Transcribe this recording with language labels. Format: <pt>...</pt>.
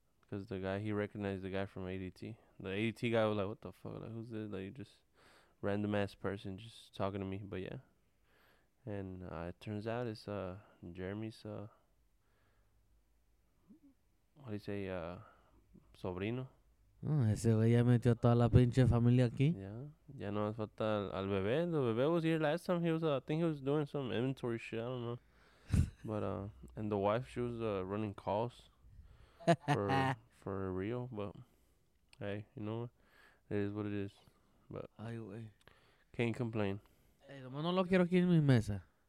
<en>Because he recognized the guy from ADT. The ADT guy was like, what the fuck? Like, who's this? Like, just random ass person just talking to me. But yeah. And it turns out it's Jeremy's, what do you say, sobrino.</en> <es>Ese güey ya metió toda la pinche familia aquí. Ya no hace falta al bebé.</es> <en>The bebé was here last time. I think he was doing some inventory shit. I don't know. But, and the wife, she was running calls for real. But, hey, you know, it is what it is. But,</en> <es>ay, güey.</es> <en>Can't complain.</en> <es>Hey, no lo quiero aquí en mi mesa.</es>